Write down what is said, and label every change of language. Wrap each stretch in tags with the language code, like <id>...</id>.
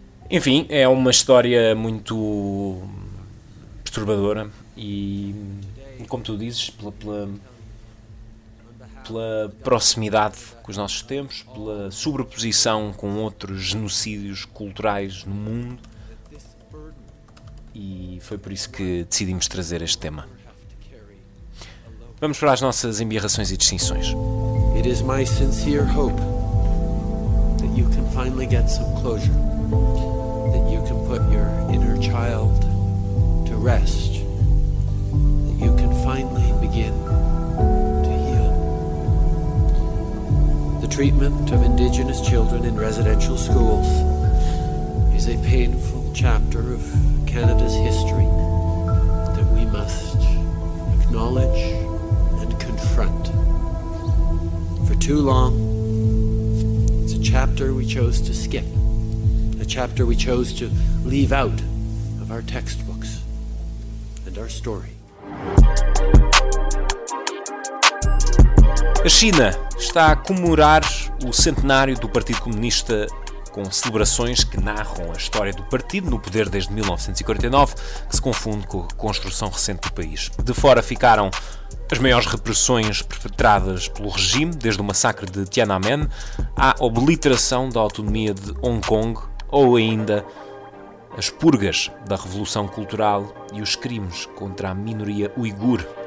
<pt>Enfim, é uma história muito perturbadora e, como tu dizes, pela proximidade com os nossos tempos, pela sobreposição com outros genocídios culturais no mundo, e foi por isso que decidimos trazer este tema. Vamos para as nossas embirrações e distinções.</pt> <en>It is my sincere hope that you can finally get some closure. That you can put your inner child to rest. That you can finally begin to heal. The treatment of Indigenous children in residential schools is a painful chapter of Canada's history that we must acknowledge and confront. For too long, it's a chapter we chose to skip. Chapter we chose to leave out of our textbooks and our story.</en> <pt>A China está a comemorar o centenário do Partido Comunista com celebrações que narram a história do partido no poder desde 1949, que se confunde com a construção recente do país. De fora ficaram as maiores repressões perpetradas pelo regime, desde o massacre de Tiananmen à obliteração da autonomia de Hong Kong, ou ainda as purgas da Revolução Cultural e os crimes contra a minoria uigur.</pt>